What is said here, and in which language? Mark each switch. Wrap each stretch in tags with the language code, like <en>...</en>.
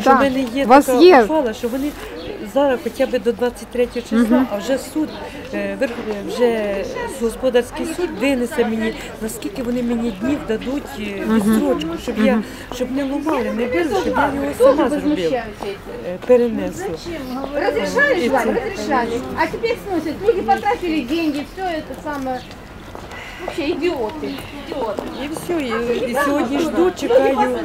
<uk>що в мене є така ухвала, що вони зараз хоча б до 23 числа, а вже суд, вже господарський суд винесе мені, наскільки вони мені днів дадуть відстрочку, щоб я, щоб не ламали, не били, щоб я його сама зробила, перенесла.</uk> <ru>Разрешали, Жаль, разрешали.</ru> <uk>А тепер сносять, люди потратили гроші, все це саме...</uk> <ru>Вообще идиоты. И все, и сегодня жду,</ru> <uk>чекаю.</uk>